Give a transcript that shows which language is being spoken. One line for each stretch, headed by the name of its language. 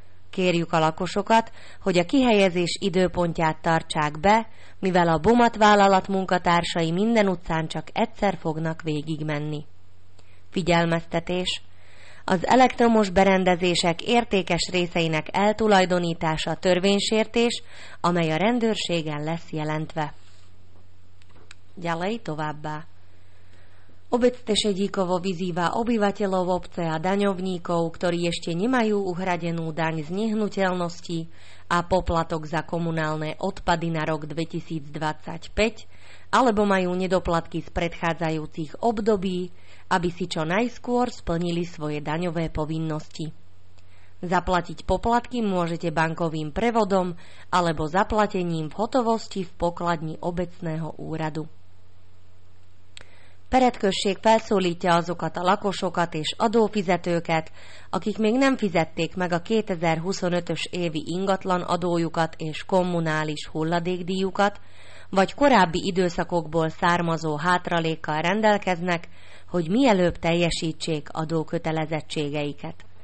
Hungarian: Kérjük a lakosokat, hogy a kihelyezés időpontját tartsák be, mivel a BOMAT vállalat munkatársai minden utcán csak egyszer fognak végigmenni. Figyelmeztetés: az elektromos berendezések értékes részeinek eltulajdonítása törvénysértés, amely a rendőrségen lesz jelentve.
Slovak: Ďalej
Hungarian: továbbá.
Slovak: Obec Tešedíkovo vyzýva obyvateľov obce a daňovníkov, ktorí ešte nemajú uhradenú daň z nehnuteľnosti a poplatok za komunálne odpady na rok 2025, alebo majú nedoplatky z predchádzajúcich období, aby si čo najskôr splnili svoje daňové povinnosti. Zaplatiť poplatky môžete bankovým prevodom alebo zaplatením v hotovosti v pokladni obecného úradu.
Hungarian: Peretkösség felszólítja azokat a lakosokat és adófizetőket, akik még nem fizették meg a 2025-ös évi ingatlan adójukat és kommunális hulladékdíjukat, vagy korábbi időszakokból származó hátralékkal rendelkeznek, hogy mielőbb teljesítsék adókötelezettségeiket.